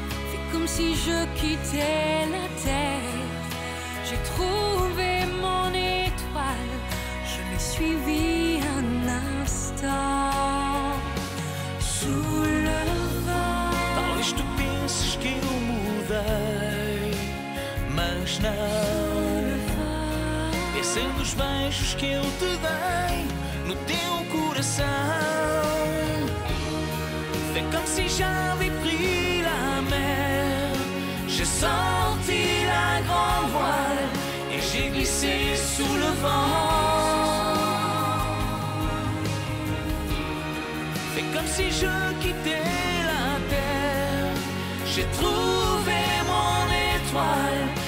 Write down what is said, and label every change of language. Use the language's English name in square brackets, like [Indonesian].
[French] Fais comme si je quittais la terre, j'ai trouvé mon étoile, je l'ai suivie un instant. Sous le vent. Parle et je te pense que je m'oudais. [Portuguese] Mas não, pensando os beijos que eu te dei no teu coração. [French] Fais comme si j'avais pris la mer, j'ai sorti la grande voile et j'ai glissé sous le vent. Fais comme si je quittais la terre, j'ai trouvé mon étoile.